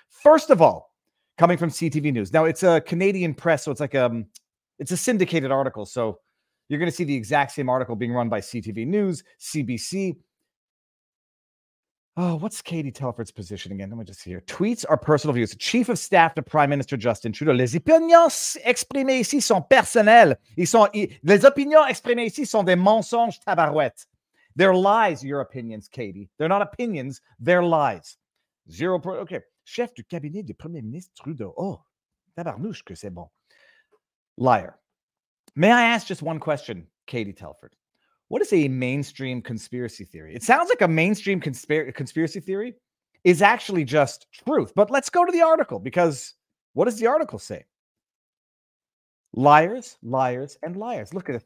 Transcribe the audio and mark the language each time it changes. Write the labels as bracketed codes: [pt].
[en] First of all, coming from CTV News. Now, it's a Canadian press, so it's like it's a syndicated article. So you're going to see the exact same article being run by CTV News, CBC. Oh, what's Katie Telford's position again? Let me just see here. Tweets are personal views. Chief of staff to Prime Minister Justin Trudeau. [fr] Les opinions exprimées ici sont personnelles. Les opinions exprimées ici sont des mensonges tabarouettes. [en] They're lies, your opinions, Katie. They're not opinions. They're lies. Okay. [fr] Chef du cabinet du Premier ministre Trudeau. Oh, tabarnouche que c'est bon. [en] Liar. May I ask just one question, Katie Telford? What is a mainstream conspiracy theory? It sounds like a mainstream conspiracy theory is actually just truth. But let's go to the article, because what does the article say? Liars, liars, and liars. Look at it.